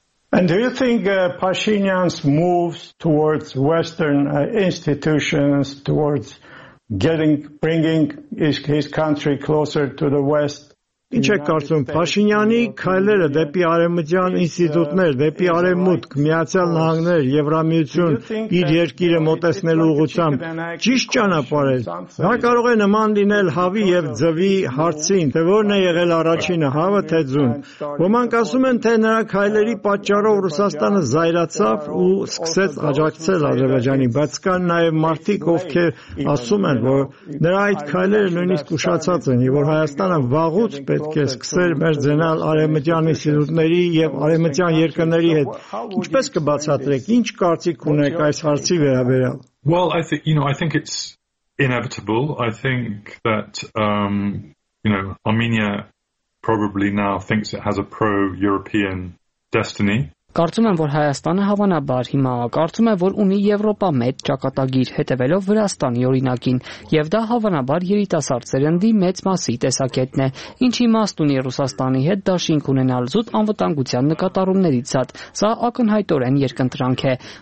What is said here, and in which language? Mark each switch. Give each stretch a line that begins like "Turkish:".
English: And do you think Pashinyan's moves towards Western institutions, towards bringing his country closer to the West?
Armenian: Ինչ եք կարծում, Փաշինյանի քայլերը դեպի արևմտյան ինստիտուտներ, դեպի արևմուտք, Միացյալ Նահանգներ, Եվրամիություն, իր երկիրը մոտեցնելու ուղղությամբ ճիշտ ճանապարհ է։ Դա կարող է նման լինել հավի և ձվի հարցին, թե որն է եղել առաջինը, հավը թե ձուն։ Ոմանք ասում են, թե նրա քայլերի պատճառով Ռուսաստանը զայրացավ ու սկսեց աջակցել Ադրբեջանի, բայց կան նաև մարդիկ, ովքեր ասում են, որ նրա այդ քայլերը նույնիսկ ուշացած են, և որ Հայաստանը վաղուց պետք է սկսեր մեր ձենալ արևմտյան ինստիտուտների և արևմտյան երկրների հետ։ Ինչպես կբացատրեք, ինչ կարծիք ունեք այս հարցի վերաբերյալ։
English: Well, I think, you know, I think it's inevitable. I think that, you know, Armenia probably now thinks it has a pro-European destiny.
Armenian: Կարծում եմ, որ Հայաստանը հավանաբար հիմա կարծում է, որ ունի Եվրոպա մեծ ճակատագիր, հետևելով Վրաստանի օրինակին, և դա հավանաբար երիտասարդ ծերնդի մեծ մասի տեսակետն է։ Ինչ իմաստ ունի Ռուսաստանի հետ դաշինք ունենալ զուտ անվտանգության նկատառումներից զատ, սա ակնհայտորեն երկընտրանք է։